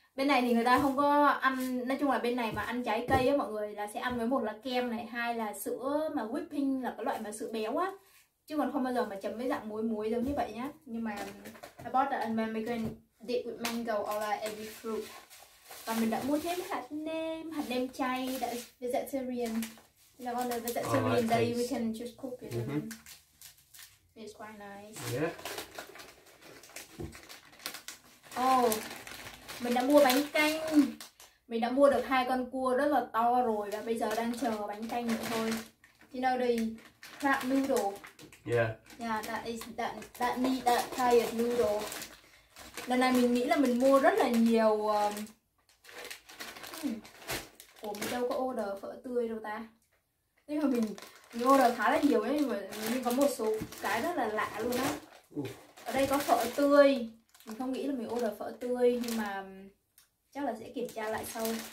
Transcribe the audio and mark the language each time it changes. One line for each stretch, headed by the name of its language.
Vietnamese: Bên này thì người ta không có ăn, nói chung là bên này mà ăn trái cây á mọi người là sẽ ăn với một là kem này, hai là sữa mà whipping là cái loại mà sữa béo á. Chứ còn không bao giờ mà chấm với dạng muối giống như vậy nhá. Nhưng mà
English: I bought an American dip with mango or like every fruit.
Vietnamese: Và mình đã mua thêm hạt nêm chay, đã vegetarian.
English: Là on the vegetarian day we can just cook it. Mm-hmm. It's quite nice. Yeah.
Vietnamese: Oh, mình đã mua bánh canh. Mình đã mua được hai con cua rất là to rồi và bây giờ đang chờ bánh canh nữa thôi.
English: You know the crab noodle. Yeah. Yeah, that is that need that kind of noodle.
Vietnamese: Lần này mình nghĩ là mình mua rất là nhiều Ủa mình đâu có order phở tươi đâu ta. Nhưng mà mình order khá là nhiều ấy, mình có một số cái rất là lạ luôn á. Ở đây có phở tươi. Mình không nghĩ là mình order phở tươi nhưng mà chắc là sẽ kiểm tra lại sau.